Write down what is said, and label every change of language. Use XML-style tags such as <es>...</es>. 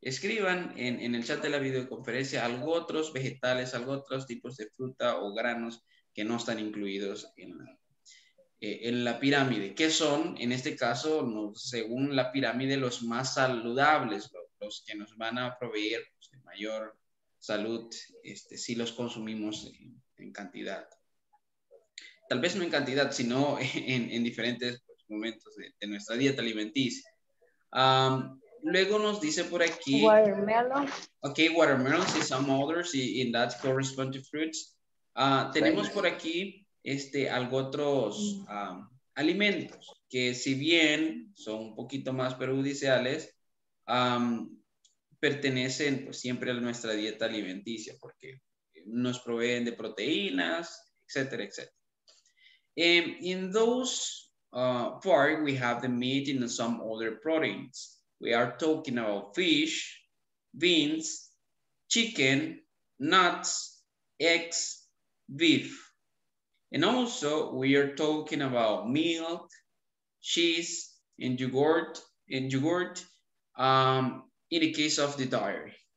<es>Escriban en el chat de la videoconferencia algo otros vegetales, algo otros tipos de fruta o granos que no están incluidos en la pirámide, que son, en este caso, no, según la pirámide, los más saludables, los que nos van a proveer de mayor salud si los consumimos en cantidad. Tal vez no en cantidad, sino en diferentes momentos de nuestra dieta alimenticia. Luego nos dice por aquí...</es> <en>Watermelon. Ok, watermelons y some others, and that correspond to fruits.</en> <es>Tenemos por aquí algo otros alimentos que si bien son un poquito más perjudiciales, pertenecen pues, siempre a nuestra dieta alimenticia porque nos proveen de proteínas, etcétera, etcétera.</es> <en>In those part, we have the meat and some other proteins. We are talking about fish, beans, chicken, nuts, eggs, beef. And also, we are talking about milk, cheese, and yogurt, in the case of the dairy.</en>